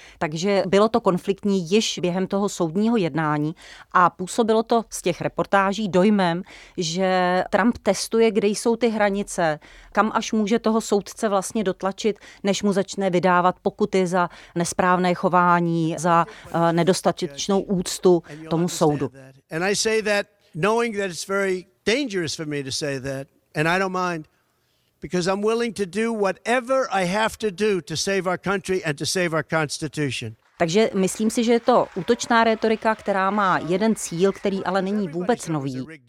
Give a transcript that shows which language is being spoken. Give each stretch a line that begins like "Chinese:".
Czech: Takže bylo to konfliktní již během toho soudního jednání a působilo to z těch reportáží dojmem, že Trump testuje, kde jsou ty hranice, kam až může toho soudce vlastně dotlačit, než mu začne vydávat pokuty za nesprávné chování, za nedostatečnost statečnou úctu tomu soudu.
English: And I say that knowing that it's very dangerous for me to say that, and I don't mind, because I'm willing to do whatever I have to do to save our country and to save our constitution.
Czech: Takže myslím si, že je to útočná retorika, která má jeden cíl, který ale není vůbec nový.